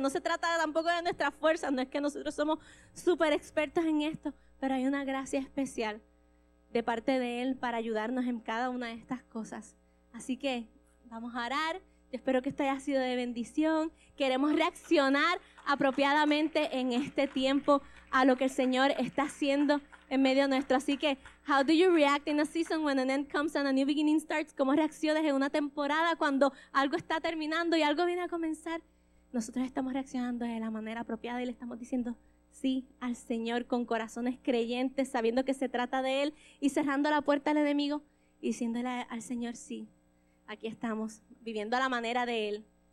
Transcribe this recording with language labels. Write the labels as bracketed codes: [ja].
[es] No se trata tampoco de nuestras fuerzas, no es que nosotros somos súper expertos en esto, pero hay una gracia especial de parte de Él para ayudarnos en cada una de estas cosas. Así que vamos a orar. Yo espero que esto haya sido de bendición. Queremos reaccionar apropiadamente en este tiempo a lo que el Señor está haciendo en medio nuestro. Así que, [en] how do you react in a season when an end comes and a new beginning starts? [es] ¿Cómo reaccionas en una temporada cuando algo está terminando y algo viene a comenzar? Nosotros estamos reaccionando de la manera apropiada y le estamos diciendo sí al Señor con corazones creyentes, sabiendo que se trata de Él y cerrando la puerta al enemigo. Diciéndole al Señor, sí, aquí estamos, viviendo a la manera de Él.